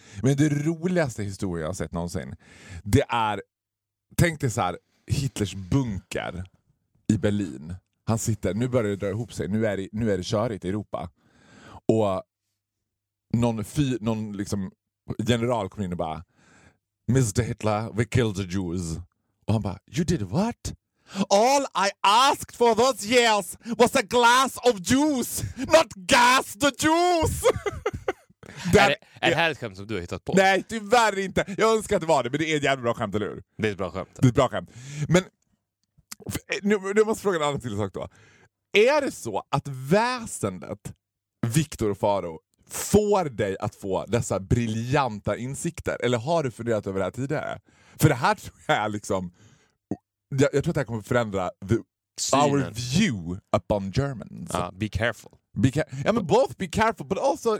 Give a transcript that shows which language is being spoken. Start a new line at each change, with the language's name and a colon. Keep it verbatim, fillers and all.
Swedish: Men det roligaste historia jag har sett någonsin, det är, tänk dig så här, Hitlers bunker i Berlin. Han sitter, nu börjar det dra ihop sig, nu är det, nu är det körigt i Europa. Och någon, fy, någon liksom general kommer in och bara,
English: mister Hitler, we killed the Jews.
Swedish: Och han bara,
English: you did what? All I asked for those years was a glass of juice, not gas the juice!
Swedish: Är det, är det här ett skämt som du har hittat på? Nej, tyvärr inte. Jag önskar att det var det, men det är ett jävla bra skämt, eller hur? Det är ett bra skämt. Det är ett bra skämt. Men, nu, nu måste jag fråga en annan till sak då. Är det så att väsendet, Viktor och Faro, får dig att få dessa briljanta insikter? Eller har du funderat över det här tidigare? För det här tror jag är liksom... Jag, jag tror att det här kommer förändra
English: the, our view upon Germans. Uh, be careful. Be ca-
Swedish: ja, men
English: both be careful, but also...